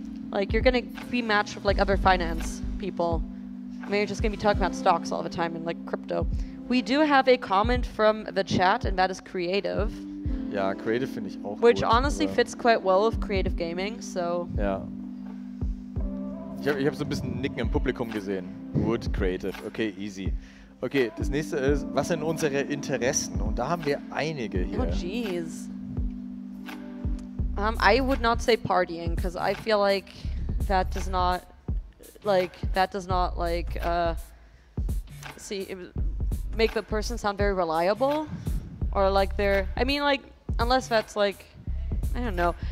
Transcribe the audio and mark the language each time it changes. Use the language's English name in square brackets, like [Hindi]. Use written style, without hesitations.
[English] Like, you're going to be matched with like other finance people. I mean, you're just going to be talking about stocks all the time and like crypto. We do have a comment from the chat, and that is creative. [German] Ja, creative finde ich auch gut. [English] Which honestly fits quite well with creative gaming, so. [German] Ja. Ich hab so ein bisschen Nicken im Publikum gesehen. [English] Good, creative. Okay, easy. [German] Okay, das nächste ist, was sind unsere Interessen? Und da haben wir einige hier. [English] Oh, jeez. I would not say partying, because I feel like that does not make the person sound very reliable. Or like they're, I mean like, unless that's like, I don't know.